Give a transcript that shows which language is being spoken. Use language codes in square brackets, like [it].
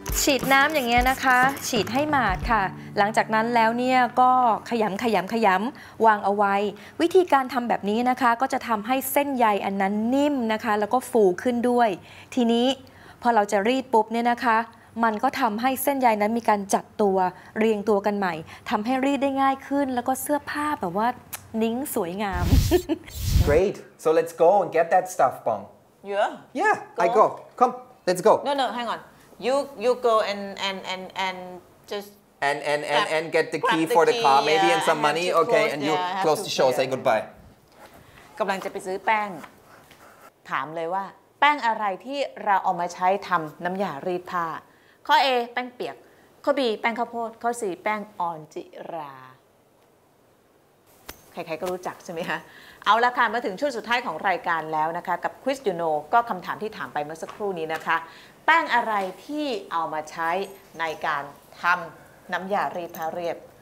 [th] ฉีดน้ำอย่างเงี้ยนะคะฉีดให้หมาดค่ะหลังจากนั้นแล้วเนี่ยก็ขยำขยำขยำวางเอาไว้วิธีการทำแบบนี้นะคะก็จะทำให้เส้นใยอันนั้นนิ่มนะคะแล้วก็ฟูขึ้นด้วยทีนี้พอเราจะรีดปุ๊บเนี่ยนะคะมันก็ทำให้เส้นใยนั้นมีการจับตัวเรียงตัวกันใหม่ทำให้รีดได้ง่ายขึ้นแล้วก็เสื้อผ้าแบบว่านิ่งสวยงาม [en] Great so let's go and get that stuff Bong yeah yeah go. I go come let's go no hang onYou go and just and get the key for the car maybe and some money okay and you close the show say goodbye [th] กำลังจะไปซื้อแป้งถามเลยว่าแป้งอะไรที่เราเอามาใช้ทำน้ำยารีดผ้าข้อ A แป้งเปียกข้อ B แป้งข้าวโพดข้อ C แป้งอ่อนจิราใครๆก็รู้จักใช่ไหมคะเอาละค่ะมาถึงช่วงสุดท้ายของรายการแล้วนะคะกับ Quiz You Know ก็คำถามที่ถามไปเมื่อสักครู่นี้นะคะแป้งอะไรที่เอามาใช้ในการทำน้ำยารีดผ้าเรียบ